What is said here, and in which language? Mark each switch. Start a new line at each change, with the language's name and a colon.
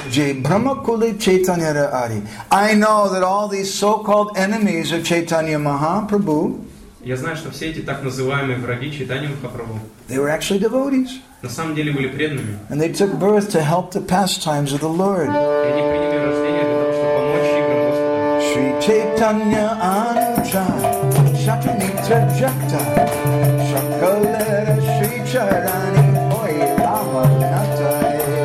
English: I know that all these so-called enemies of Chaitanya Mahaprabhu,
Russian: я знаю, что все эти так называемые враги Чайтанья Махапрабху,
English: they were actually devotees.
Russian: На самом деле были преданными.
English: And they took birth to help the pastimes of the Lord.
Russian: И они приняли рождение для того, чтобы помочь играм Господа. Шри Чайтанья Ануча, Шатанитра Джакта, Шакалера Шри Чарани, Ой, Лава Ната.